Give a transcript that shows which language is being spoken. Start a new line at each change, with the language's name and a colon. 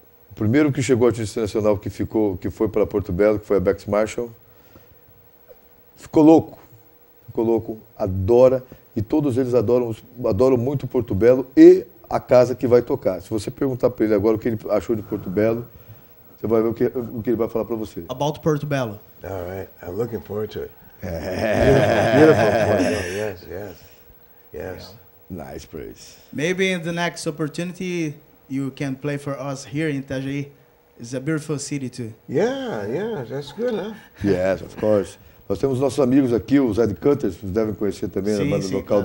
Portuguese: O primeiro que chegou ao artista nacional, que ficou, que foi para Porto Belo, que foi a Bex Marshall, ficou louco. Ficou louco, adora, e todos eles adoram muito Porto Belo e a casa que vai tocar. Se você perguntar para ele agora o que ele achou de Porto Belo, você vai ver o que ele vai falar para você.
English: About Porto Belo. All right, I'm looking forward to it. Beautiful, beautiful. Yes, yes. Yes. Yeah. Nice praise. Maybe in the next opportunity you can play for us here in Itajaí. It's a beautiful city too. Yeah, that's good, huh? Yes, of course.
Portuguese: Nós temos nossos amigos aqui, os Ed Cutters, vocês devem conhecer também, sim, a banda, sim, local, claro.